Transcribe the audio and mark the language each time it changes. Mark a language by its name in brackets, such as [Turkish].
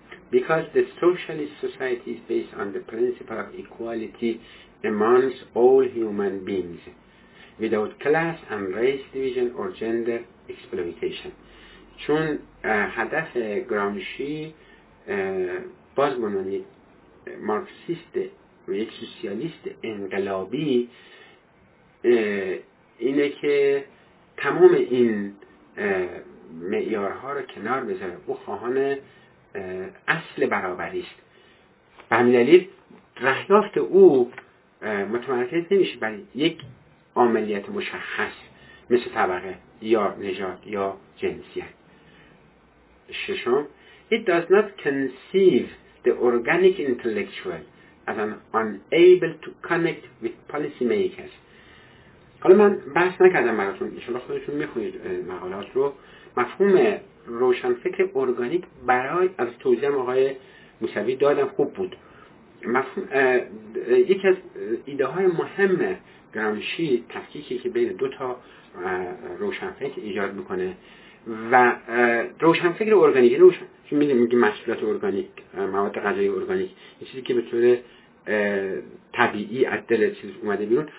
[English] Because the socialist society is based on the principle of equality amongst all human beings without class and race division or gender exploitation. [Persian] چون هدف گرامشی باز بمانی مارکسیست و یک سوسیالیست انقلابی اینه که تمام این معیارها رو کنار بذاره، او خواهان اصل برابریست. به همین دلیل دریافت او متمرکز نمیشه بر یک عملیت مشخص مثل طبقه یا نژاد یا جنسیت. ششم، [English] it does not conceive the organic intellectual as unable to connect with policy makers. [Persian] حالا من بحث نکردم براتون، انشاءالله خودتون میخونید مقالات رو. مفهوم روشنفکر ارگانیک برای از توضیح آقای موسوی دادم خوب بود، مفهوم یکی از ایده های مهم گرامشی تفکیکی که بین دو تا روشنفکر ایجاد میکنه و روشنفکر ارگانیک روشن میگه محصولات ارگانیک، مواد غذایی ارگانیک، یه چیزی که به طور طبیعی از دل چیز اومده بیرون.